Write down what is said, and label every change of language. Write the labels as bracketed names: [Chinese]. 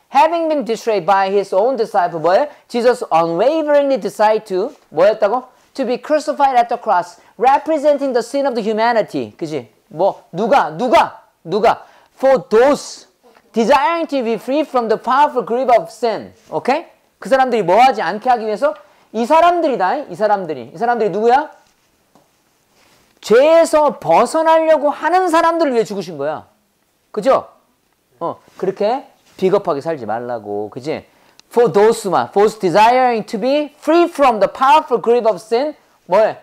[English] Having been betrayed by his own disciple, [Korean] 뭐예요? [English] Jesus unwaveringly decided to, [Korean] 뭐였다고? [English] To be crucified at the cross, representing the sin of the humanity. [Korean] 그지? 뭐, 누가? [English] For those desiring to be free from the powerful grip of sin. Okay? [Korean] 그 사람들이 뭐 하지 않게 하기 위해서? 이 사람들이다. 이 사람들이 누구야? 죄에서 벗어나려고 하는 사람들을 위해 죽으신 거야. 그죠? 그렇게? 비겁하게 살지 말라고, 그지? [English] For those man, for those desiring to be free from the powerful grip of sin, [Korean] 뭐해?